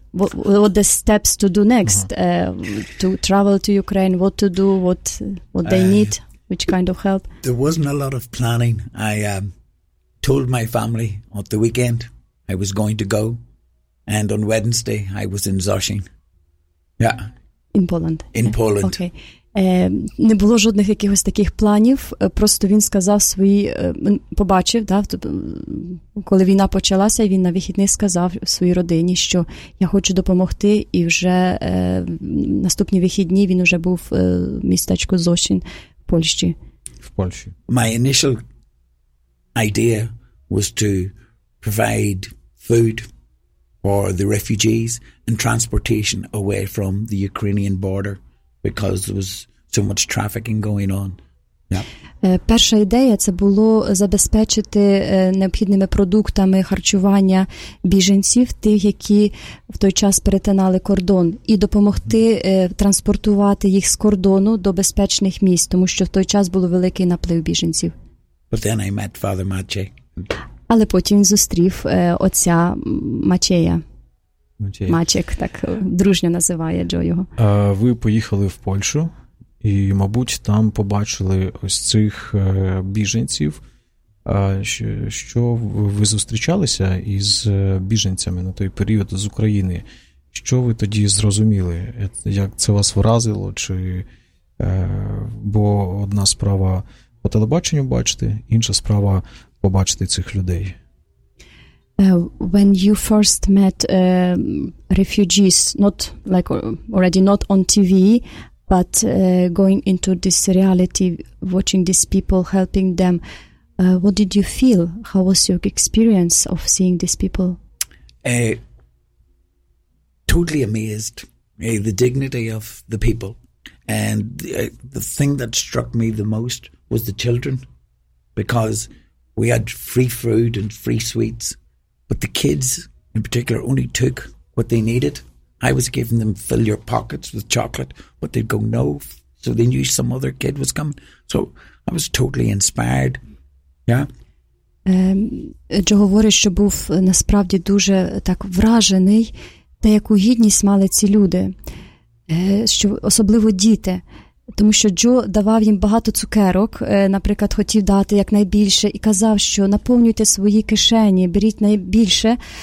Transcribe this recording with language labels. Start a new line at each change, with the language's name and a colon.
English: What the steps to do next? To travel to Ukraine, what to do, what they need, which kind of help? There wasn't a lot of planning. I told my family on the weekend I was going to go, and on Wednesday I was in Zoshin. Yeah. In Poland. In Poland. Okay.
Ukrainian: Не було жодних якихось таких планів, просто він сказав свої, побачив, да, коли війна почалася, він на вихідних сказав своїй родині, що я хочу допомогти, і вже наступні вихідні він вже був в містечку Зошин в Польщі. В Польщі.
English: My initial idea was to provide food for the refugees and transportation away from the Ukrainian border, because there was so much trafficking going on. Yeah.
Ukrainian: Перша ідея це було забезпечити необхідними продуктами харчування біженців, тих, які в той час перетинали кордон, і допомогти транспортувати їх з кордону до безпечних місць, тому що в той час був великий наплив біженців.
English: But then I met Father Maciej.
Ukrainian: Але потім зустрів отця Матвія. Мачек, так дружньо називає Джо його. Ви поїхали в Польщу і, мабуть, там побачили ось цих біженців. Що ви зустрічалися із біженцями на той період з України? Що ви тоді зрозуміли? Як це вас вразило? Чи, бо одна справа по телебаченню бачити, інша справа побачити цих людей.
English: When you first met refugees, not like already not on TV, but going into this reality, watching these people, helping them, what did you feel? How was your experience of seeing these people? Totally amazed, the dignity of the people. And the thing that struck me the most was the children, because we had free food and free sweets. But the kids, in particular, only took what they needed. I was giving them fill your pockets with chocolate, but they'd go no. So they knew some other kid was coming. So I was totally inspired. Yeah.
Ukrainian: Джо говорить, що був насправді дуже так вражений, та яку гідність мали ці люди, що особливо діти. Тому що Джо давав їм багато цукерок, наприклад, хотів дати якнайбільше, і казав, що наповнюйте свої кишені, беріть найбільше.